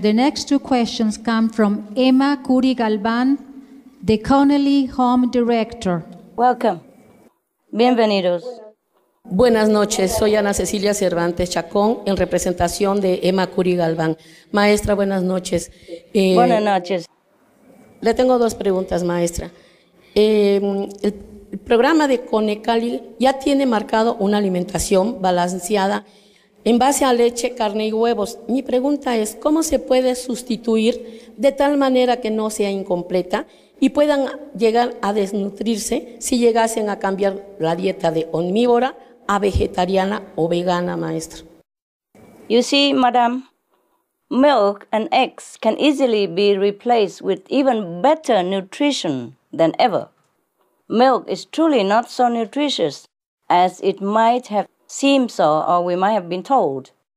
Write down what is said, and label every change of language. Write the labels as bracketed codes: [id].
[en] The next two questions come from Emma Curi Galván, the Connelly Home Director. Welcome. [es] Bienvenidos. Buenas noches. Soy Ana Cecilia Cervantes Chacón en representación de Emma Curi Galván. Maestra, buenas noches. Buenas noches. Le tengo dos preguntas, maestra. El programa de Conecali ya tiene marcado una alimentación balanceada en base a leche, carne y huevos. Mi pregunta es, ¿cómo se puede sustituir de tal manera que no sea incompleta y puedan llegar a desnutrirse si llegasen a cambiar la dieta de omnívora a vegetariana o vegana, maestra? [en] You see, madam, milk and eggs can easily be replaced with even better nutrition than ever. Milk is truly not so nutritious as it might have seemed so, or we might have been told.